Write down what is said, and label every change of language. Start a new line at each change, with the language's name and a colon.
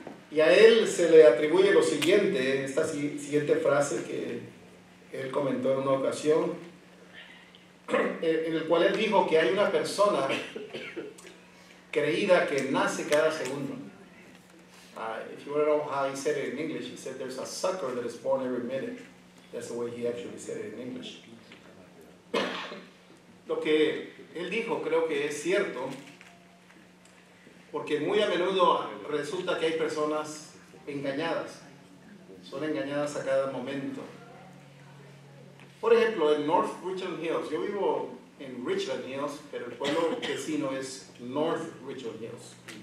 Spanish: Y a él se le atribuye lo siguiente, esta siguiente frase que él comentó en una ocasión, en el cual él dijo que hay una persona creída que nace cada segundo.
English: If you want to know how he said it in English, he said there's a sucker that is born every minute. That's the way he actually said it in English.
Spanish: Lo que él dijo creo que es cierto, porque muy a menudo resulta que hay personas engañadas. Son engañadas a cada momento. Por ejemplo, en North Richland Hills, yo vivo en Richland Hills, pero el pueblo vecino es North Richland Hills.